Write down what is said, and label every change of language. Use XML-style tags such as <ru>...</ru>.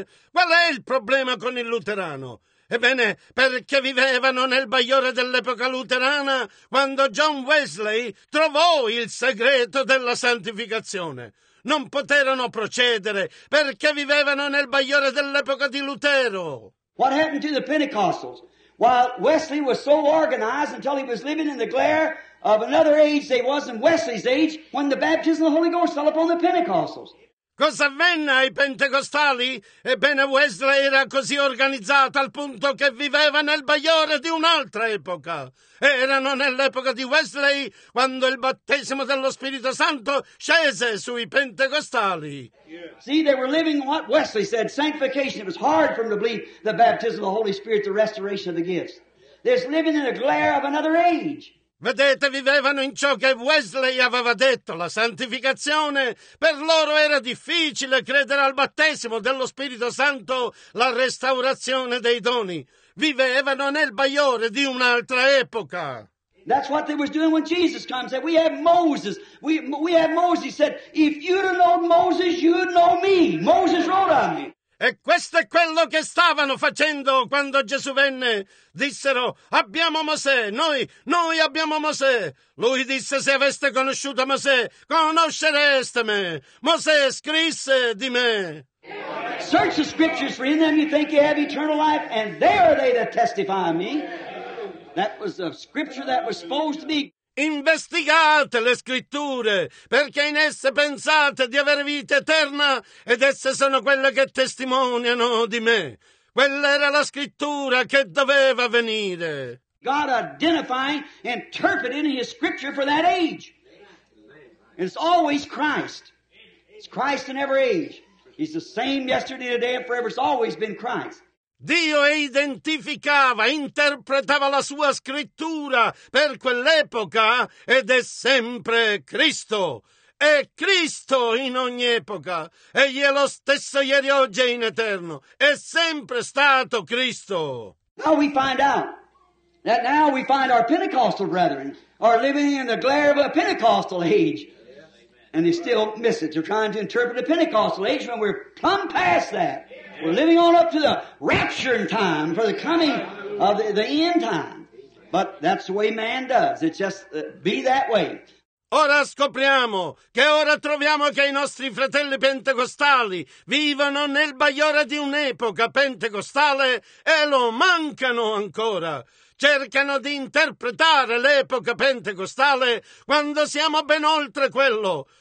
<it>Qual è il problema con il luterano? Ebbene, perché vivevano nel bagliore dell'epoca luterana quando John Wesley trovò il segreto della santificazione. Non poterono procedere perché vivevano nel bagliore dell'epoca di Lutero.</it> <en>What happened to the Pentecostals? While Wesley was so organized until he was living in the glare of another age, they wasn't Wesley's age, when the baptism of the Holy Ghost fell upon the Pentecostals.</en> <it>Cosa avvenne ai pentecostali? Ebbene, Wesley era così organizzata al punto che viveva nel bagliore di un'altra epoca. Erano nell'epoca di Wesley quando il battesimo dello Spirito Santo scese sui pentecostali.</it> <en>See, they were living what Wesley said, sanctification. It was hard for them to believe the baptism of the Holy Spirit, the restoration of the gifts. They were living in the glare of another age.</en> <it>Vedete, vivevano in ciò che Wesley aveva detto, la santificazione. Per loro era difficile credere al battesimo dello Spirito Santo, la restaurazione dei doni. Vivevano nel bagliore di un'altra epoca.</it> <en>That's what they were doing when Jesus came. Said, we have Moses. We have Moses. He said, if you'd have known Moses, you'd know me. Moses wrote on me.</en> <it>E questo è quello che stavano facendo quando Gesù venne. Dissero, abbiamo Mosè, noi abbiamo Mosè. Lui disse, se aveste conosciuto Mosè, conoscereste me. Mosè scrisse di me.</it> <en>Search the scriptures, for in them you think you have eternal life, and there are they that testify me. That was the scripture that was supposed to be.</en> <it>Investigate le scritture, perché in esse pensate di avere vita eterna, ed esse sono quelle che testimoniano di me. Quella era la scrittura che doveva venire.</it> <en>God identifying, interpreting his scripture for that age. It's always Christ. It's Christ in every age. He's the same yesterday, today, and forever. It's always been Christ.</en> <it>Dio identificava, interpretava la sua scrittura per quell'epoca ed è sempre Cristo. È Cristo in ogni epoca. Egli è lo stesso ieri, oggi e in eterno. È sempre stato Cristo.</it> <en>Now we find out that now we find our Pentecostal brethren are living in the glare of a Pentecostal age. And they still miss it. They're trying to interpret the Pentecostal age when we're plumb past that. We're living on up to the rapture in time for the coming of the end time. But that's the way man does. It's just be that way.</en> <it>Ora scopriamo che ora troviamo che i nostri fratelli pentecostali vivono nel bagliore di un'epoca pentecostale e lo mancano ancora. Cercano di interpretare l'epoca pentecostale quando siamo ben oltre quello.</it>